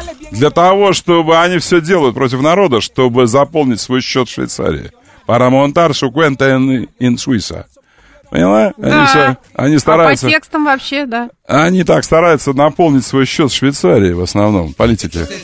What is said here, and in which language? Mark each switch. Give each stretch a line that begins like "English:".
Russian: Для того, чтобы они все делают против народа, чтобы заполнить свой счет в Швейцарии.
Spanish: Para montar su cuenta en Suiza.
Russian: Поняла? Да. Они все, они стараются, а по текстам вообще, да. Они так стараются наполнить свой счет в Швейцарии в основном, политики.